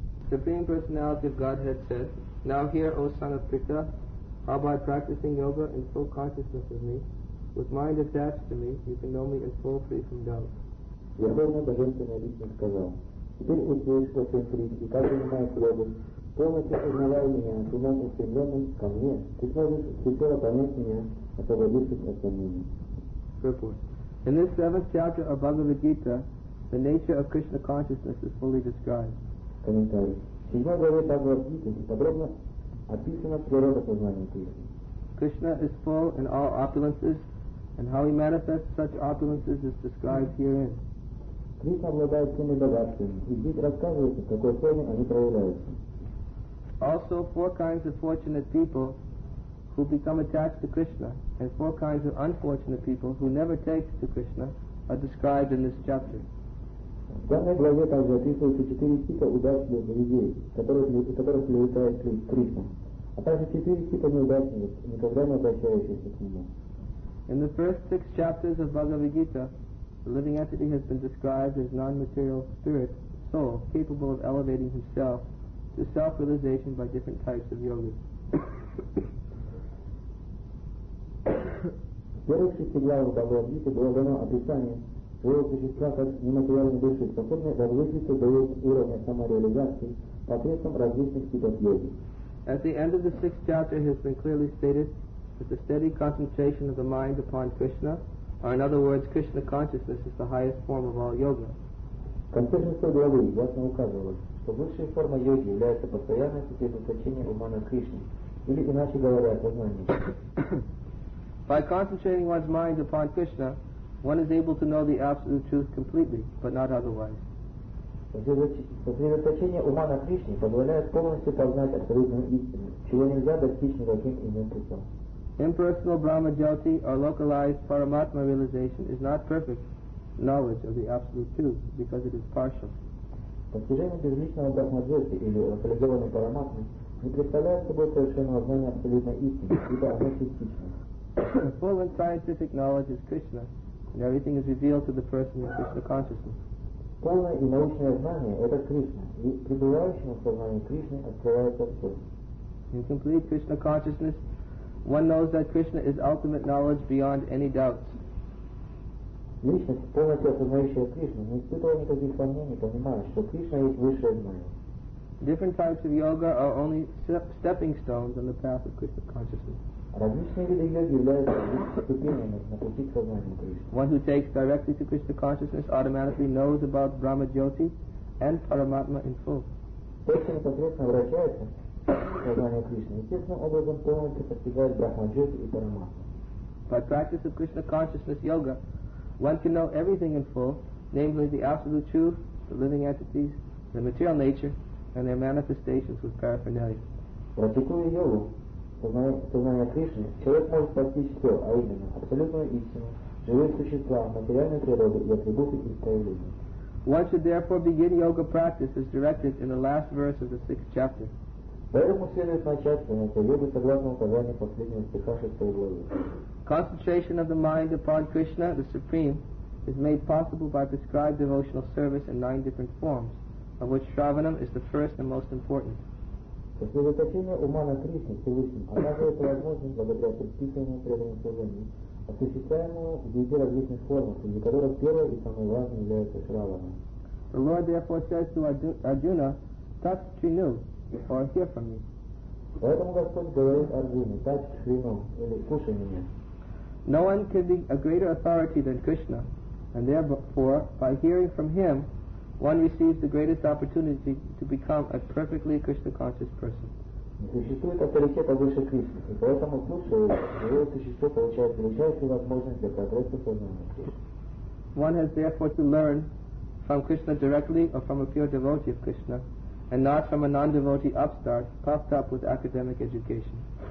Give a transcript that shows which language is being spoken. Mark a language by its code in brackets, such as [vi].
[en] Supreme personality of godhead said, now hear O son of Pritha, how by practising yoga in full consciousness of me, with mind attached to me, you can know me in full free from doubt. यदि मैं भजन से meditate कर रहा हूँ, फिर उस देश को से फ्री की कल मैं प्रॉब्लम तो मुझे कुछ मिला ही नहीं है, सुना मुझसे मिला मुझे कमी है, कितना भी सीखे और बने नहीं है, अच्छा वही कुछ ऐसा नहीं है। In this seventh chapter of Bhagavad Gita, the nature of Krishna consciousness is fully described. Commentary. Srimad Bhagavad Gita is [ru] подробно описана природа познания Кришны. [en] Krishna is full in all opulences, and how he manifests such opulences is described herein. [ru] Krishna обладает всеми богатствами, и здесь рассказывается, в какой форме они проявляются. [en] Also, four kinds of fortunate people who become attached to Krishna, and four kinds of unfortunate people who never take to Krishna are described in this chapter. [ru] В данной главе также описываются четыре типа удачливых людей, которых привлекает Кришна, а также четыре типа неудачных, никогда не обращающихся к Нему. [en] In the first six chapters of Bhagavad Gita, the living entity has been described as non-material spirit, soul, capable of elevating himself to self-realization by different types of yoga. [ru] В первых шести главах Бхагавад-гиты было дано описание своего существа как нематериальной души, способной возвыситься до уровня самореализации посредством различных типов йоги. [en] At the end of the sixth chapter, it has been clearly stated that the steady concentration of the mind upon Krishna, or in other words, Krishna consciousness, is the highest form of all yoga. [ru] В конце шестой главы ясно указывалось, что высшая форма йоги является постоянное сосредоточение ума на Кришне, или иначе говоря, сознание. [en] By concentrating one's mind upon Krishna, one is able to know the absolute truth completely, but not otherwise. [ru] Сосредоточение ума на Кришне позволяет полностью познать абсолютную истину, чего нельзя достичь никаким иным путем. [en] Impersonal Brahma Jyoti, or localized Paramatma realization, is not perfect knowledge of the absolute truth, because it is partial. [ru] Постижение безличного Брахма Джоти или локализованной Параматмы не представляет собой совершенного знания абсолютной истины, ибо оно частично. [en] Full and scientific knowledge is Krishna, and everything is revealed to the person in Krishna consciousness. [ru] Полное и научное знание – это Кришна, и пребывающему в сознании Кришны открывается все. [en] In complete Krishna consciousness, one knows that Krishna is ultimate knowledge beyond any doubts. [ru] Личность, полностью осознающая Кришну, не испытывая никаких сомнений, понимает, что Кришна есть высшее знание. [en] Different types of yoga are only stepping stones on the path of Krishna consciousness. [ru] Различные виды йоги являются ступенями на пути к сознанию Кришны. [en] One who takes directly to Krishna consciousness automatically knows about Brahma Jyoti and Paramatma in full. [ru] Тот, кто непосредственно обращается к сознанию Кришны, естественным образом полностью постигает Брахма Джоти и Параматма. [en] By practice of Krishna consciousness yoga, one can know everything in full, namely the absolute truth, the living entities, the material nature, and their manifestations with paraphernalia. [ru] Практикуя йогу, сознание Кришны, человек может постичь все, а именно абсолютную истину, живые существа, материальную природу и атрибуты их проявления. [en] One should therefore begin yoga practice as directed in the last verse of the sixth chapter. [ru] Поэтому следует начать заниматься йогой согласно указанию последнего стиха шестой главы. [en] Concentration of the mind upon Krishna, the Supreme, is made possible by prescribed devotional service in nine different forms, of which Shravanam is the first and most important. [ru] Сосредоточение ума на Кришне Всевышнем оказывается возможным благодаря предписанному преданному служению, осуществляемому в виде различных форм, среди которых первое и самое важное является Шравана. [en] The Lord therefore says to Arjuna, touch Trinu, or hear from me. [ru] Поэтому Господь говорит Арджуне, touch Trinu, или кушай меня. [en] No one can be a greater authority than Krishna, and therefore, by hearing from him, one receives the greatest opportunity to become a perfectly Krishna conscious person. One has therefore to learn from Krishna directly or from a pure devotee of Krishna, and not from a non-devotee upstart puffed up with academic education.